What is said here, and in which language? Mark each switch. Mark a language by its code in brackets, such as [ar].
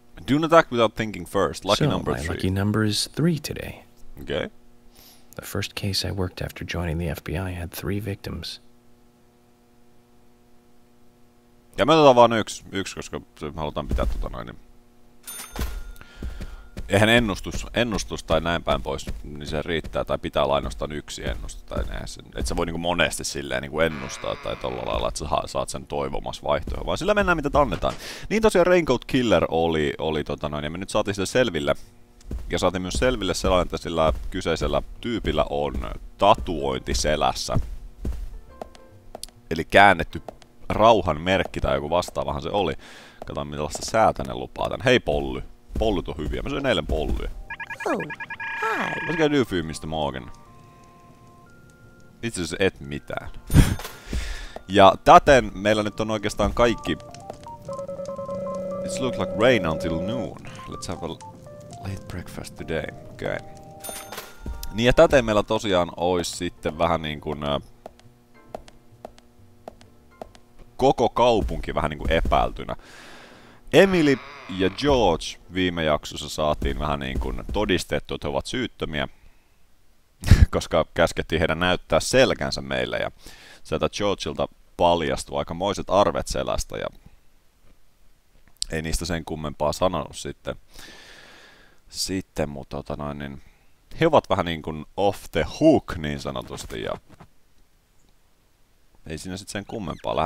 [en] Do not act without thinking first. Lucky so, number 3. So, my lucky number is 3 today. Okay. The first case I worked after joining the FBI had 3 victims. [fi] Ja me otetaan vaan yksi, koska me halutaan pitää tota noin, niin eihän ennustus tai näin päin pois, niin se riittää, tai pitää olla ainoastaan yksi ennustus, tai näin, et sä voi niinku monesti silleen niinku ennustaa, tai tolla lailla, että sä saat sen toivomassa vaihtoehto, vaan sillä mennään, mitä annetaan. Niin tosiaan Raincoat Killer oli tota noin, ja me nyt saatiin sitä selville, ja saatiin myös selville sellainen, että sillä kyseisellä tyypillä on tatuointi selässä, eli käännetty rauhan merkki tai joku vastaavahan se oli. Katsotaan millaista säätä ne lupaa tän. Hei Polly. Pollyt on hyviä. Mä söin eilen Pollyä. [en] Oh, hi. What can you do for Mr. Morgan? [fi] Itse asiassa et mitään. Ja täten meillä nyt on oikeastaan kaikki. [en] It looks like rain until noon. Let's have a late breakfast today. [fi] Okei. [en] Okay. [fi] Niin ja täten meillä tosiaan olisi sitten vähän niin kuin koko kaupunki vähän niinku epäiltynä. Emily ja George viime jaksossa saatiin vähän niinku todistettu, että he ovat syyttömiä, koska käskettiin heidän näyttää selkänsä meille, ja sieltä Georgeilta paljastui aikamoiset arvet selästä, ja ei niistä sen kummempaa sanonut sitten mutta tota noin, niin he ovat vähän niinku [en] off the hook [fi] niin sanotusti, ja ei siinä sitten sen kummempaa.